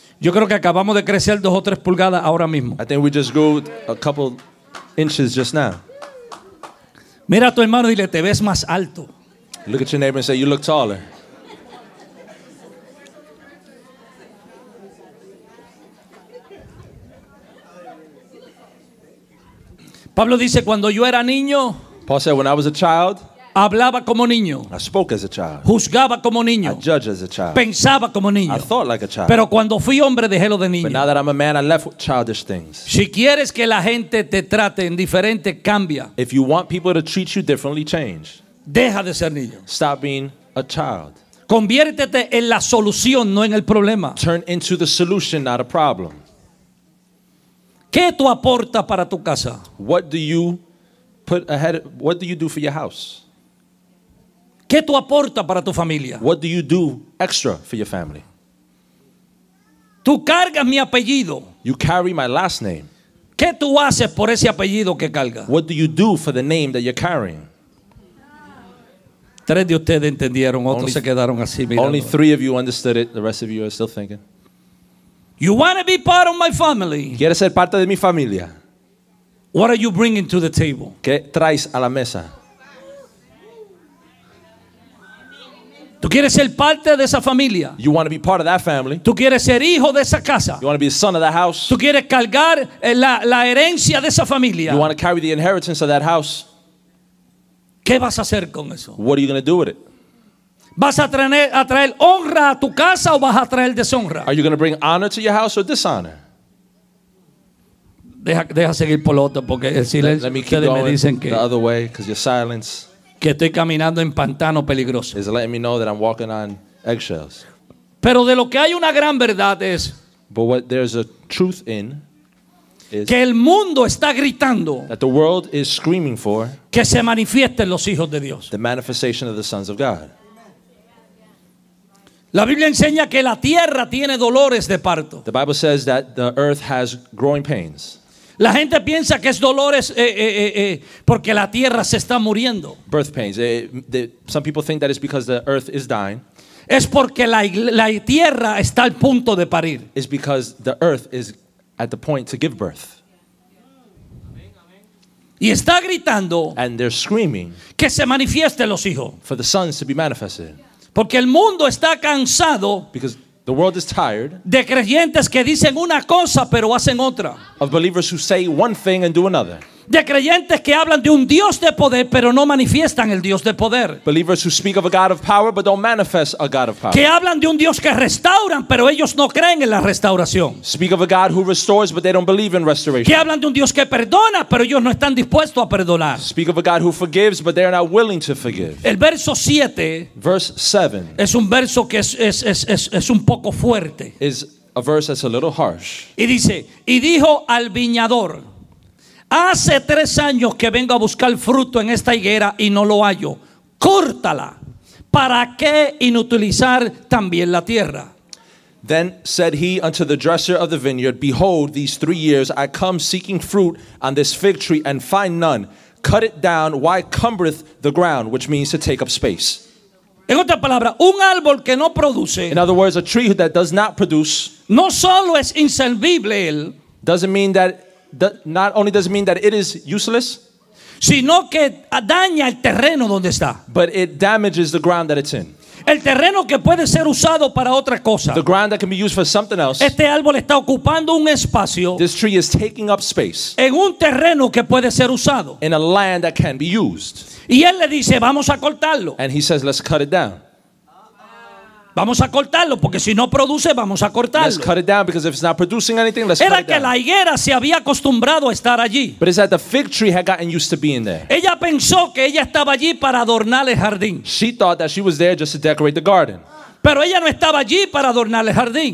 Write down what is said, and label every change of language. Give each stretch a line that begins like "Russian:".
Spanish: Yo creo que acabamos de crecer dos o tres pulgadas ahora mismo.
English: I think we just grew a couple inches just now.
Spanish: Mira a tu hermano y dile, te ves más alto.
English: Look at your neighbor and say, you look taller.
Spanish: Pablo dice, cuando yo era niño,
English: Paul said, when I was a child,
Spanish: hablaba como niño.
English: I spoke as a child.
Spanish: Juzgaba como niño.
English: I judged as a child.
Spanish: Pensaba como niño.
English: I thought like a child.
Spanish: Pero cuando fui hombre dejé lo de niño.
English: But now that I'm a man, I left childish things.
Spanish: Si quieres que la gente te trate indiferente, cambia.
English: If you want people to treat you differently, change.
Spanish: Deja de ser niño.
English: Stop being a child.
Spanish: Conviértete en la solución, no en el problema.
English: Turn into the solution, not a problem.
Spanish: ¿Qué tú aportas para tu casa?
English: What do you put ahead? What do you do for your house?
Spanish: ¿Qué tú aportas para tu familia?
English: What do you do extra for your family?
Spanish: Tú cargas mi apellido.
English: You carry my last name.
Spanish: ¿Qué tú haces por ese apellido que cargas?
English: What do you do for the name that you're carrying?
Spanish: Tres de ustedes entendieron, otros se quedaron así mirando.
English: Only three of you understood it. The rest of you are still thinking. You want to be part of my family?
Spanish: ¿Quieres ser parte de mi familia?
English: What are you bringing to the table?
Spanish: ¿Qué traes a la mesa? Tú quieres ser parte de esa familia.
English: You want to be part of that family.
Spanish: Tú quieres ser hijo de esa casa.
English: You want to be the son of that house.
Spanish: Tú quieres cargar la herencia de esa familia.
English: You want to carry the inheritance of that house.
Spanish: ¿Qué vas a hacer con eso?
English: What are you going to do with it?
Spanish: ¿Vas a traer honra a tu casa o vas a traer deshonra?
English: Are you going to bring honor to your house or dishonor?
Spanish: Deja seguir por otro porque el silencio.
English: Let me keep going
Spanish: me dicen que
English: the other way because your silence.
Spanish: Que estoy caminando en pantano peligroso.
English: Is letting me know that I'm walking on eggshells.
Spanish: Pero de lo que hay una gran verdad es.
English: But what there's a truth in. Is
Spanish: que el mundo está gritando.
English: That the world is screaming for.
Spanish: Que se manifiesten los hijos de Dios.
English: The manifestation of the sons of God.
Spanish: La Biblia enseña que la tierra tiene dolores de parto.
English: The Bible says that the earth has growing pains.
Spanish: La gente piensa que es dolores porque la tierra se está muriendo.
English: Birth pains. Some people think that it's because the earth is dying.
Spanish: Es porque la tierra está al punto de parir.
English: It's because the earth is at the point to give birth.
Spanish: Y está gritando.
English: And they're screaming.
Spanish: Que se manifiesten los hijos.
English: For the sons to be manifested.
Spanish: Porque el mundo está cansado.
English: Because the world is tired.
Spanish: De creyentes que dicen una cosa pero hacen otra.
English: Of believers who say one thing and do another.
Spanish: De creyentes que hablan de un Dios de poder pero no manifiestan el Dios de poder.
English: Believers who speak of a God of power but don't manifest a God of power.
Spanish: Que hablan de un Dios que restauran pero ellos no creen en la restauración.
English: Speak of a God who restores but they don't believe in restoration.
Spanish: Que hablan de un Dios que perdona pero ellos no están dispuestos a perdonar.
English: Speak of a God who forgives but they are not willing to forgive.
Spanish: El verso 7.
English: Verse 7.
Spanish: Es un verso que es un poco fuerte.
English: Is a verse that's a little harsh.
Spanish: Y dice, y dijo al viñador, hace 3 años que vengo a buscar fruto en esta higuera y no lo hallo. Córtala. ¿Para qué inutilizar también la tierra?
English: Then said he unto the dresser of the vineyard, behold, these 3 years I come seeking fruit on this fig tree and find none. Cut it down. Why cumbereth the ground? Which means to take up space.
Spanish: En otra palabra, un árbol que no produce.
English: In other words, a tree that does not produce.
Spanish: No solo es inservible.
English: Doesn't mean that. Not only does it mean that it is useless,
Spanish: sino que daña el terreno donde está.
English: But it damages the ground that it's in.
Spanish: El terreno que puede ser usado para otra cosa.
English: The ground that can be used for something else.
Spanish: Este árbol está ocupando un espacio.
English: This tree is taking up space.
Spanish: En un terreno que puede ser usado.
English: In a land that can be used.
Spanish: Y él le dice, vamos a cortarlo.
English: And he says, let's cut it down.
Spanish: Vamos a cortarlo porque si no produce vamos a cortarlo.
English: Let's cut it down because if it's not producing anything, let's
Spanish: era
English: cut it down.
Spanish: Era que la higuera se había acostumbrado a estar allí.
English: But it's that the fig tree had gotten used to being there.
Spanish: Ella pensó que ella estaba allí para adornar el jardín.
English: She thought that she was there just to decorate the garden.
Spanish: Pero ella no estaba allí para adornar el jardín.